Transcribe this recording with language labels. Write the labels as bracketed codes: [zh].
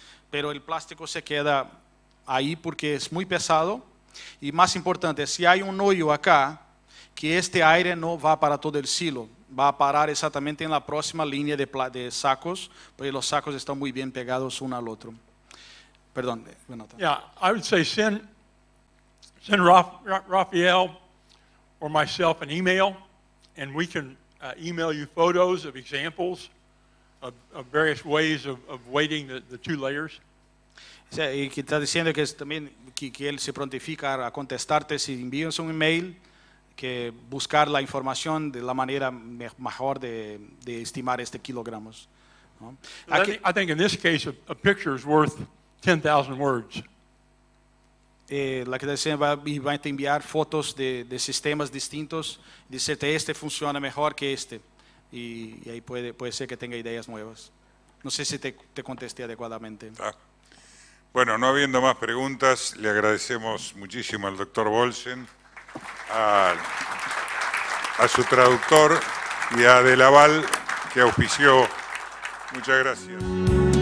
[es] Pero el plástico se queda ahí porque es muy pesado. Y más importante, si hay un hoyo acá, que este aire no va para todo el silo, va a parar exactamente en la próxima línea de sacos, porque los sacos están muy bien pegados uno al otro. Perdón. [en] Bueno, yeah, I would say send Rafael or myself an email, and we can email you photos of examples of various ways of weighting the two layers. [es] Y que está diciendo que es también que él se prontifica a contestarte si envías un email, que buscar la información de la manera mejor de estimar este kilogramos. ¿No? [en] I think in this case a picture is worth 10,000 words. [es] La que está diciendo va a enviar fotos de sistemas distintos, dice que este funciona mejor que este, y ahí puede ser que tenga ideas nuevas. No sé si te contesté adecuadamente. Ah. Bueno, no habiendo más preguntas, le agradecemos muchísimo al doctor Bolsen, a su traductor y a De Laval, que auspició. Muchas gracias.